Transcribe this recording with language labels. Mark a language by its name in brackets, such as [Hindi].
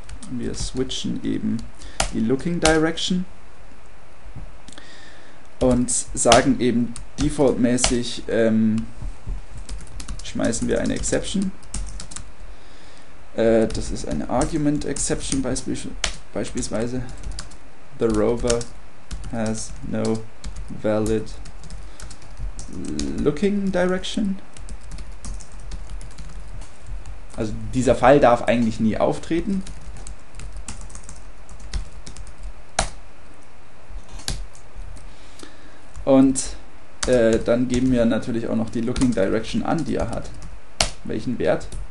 [German] Wir switchen eben die Looking Direction und sagen eben defaultmäßig, schmeißen wir eine Exception. Das ist eine Argument Exception beispielsweise. [English] The Rover has no valid looking direction. [German] Also dieser Fall darf eigentlich nie auftreten. Und dann geben wir natürlich auch noch die Looking Direction an, die er hat. Welchen Wert?